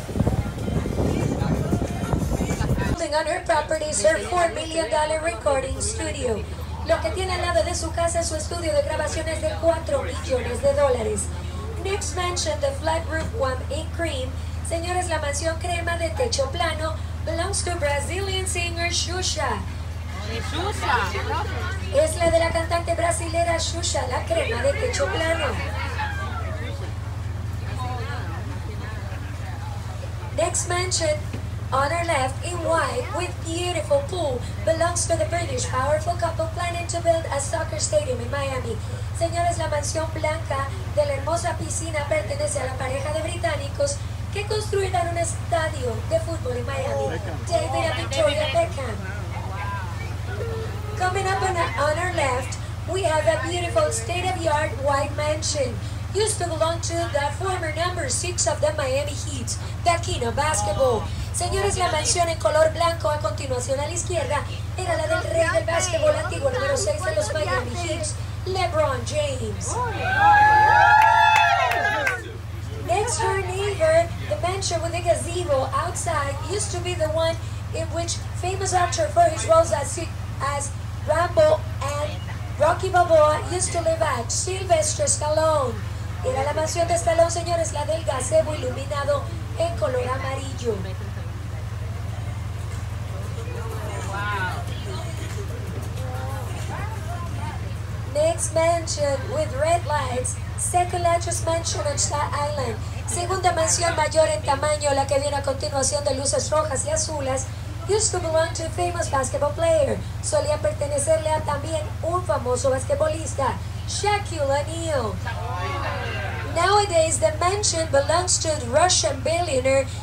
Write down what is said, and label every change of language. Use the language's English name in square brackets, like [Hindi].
[English] Building on her property is her $4 million recording studio. [Spanish] Lo que tiene al lado de su casa es su estudio de grabaciones de $4 millones. [English] Next mansion, the flat roof one in cream. [Spanish] Señores, la mansión crema de techo plano [English] belongs to Brazilian singer Xuxa. [Spanish] Es la de la cantante brasilera Xuxa, la crema de techo plano. [English] Next mansion, on our left, in white, with beautiful pool, belongs to the British powerful couple planning to build a soccer stadium in Miami. [Spanish] Señores, la mansión blanca de la hermosa piscina pertenece a la pareja de británicos que construirán un estadio de fútbol en Miami. [English] David and Victoria Beckham. Coming up on our left, we have a beautiful state-of-the-art white mansion. Used to belong to the former number 6 of the Miami Heat, the King of Basketball. [Spanish] Señores, la mansión en color blanco a continuación a la izquierda era la del rey del básquetbol antiguo número 6 de los Miami Heat, LeBron James. [English] Next door neighbor, the mansion with the gazebo outside used to be the one in which famous actor for his roles as as Rambo and Rocky Balboa used to live at Sylvester Stallone. [Spanish] Era la mansión de Stallone, señores, la del gazebo iluminado en color amarillo. [English] Next mansion with red lights, second largest mansion on Star Island. [Spanish] Segunda mansión mayor en tamaño, la que viene a continuación de luces rojas y azules, [English] used to belong to a famous basketball player. [Spanish] Solía pertenecerle a también un famoso basquetbolista, Shaquille O'Neal. [English] Nowadays, the mansion belongs to the Russian billionaire.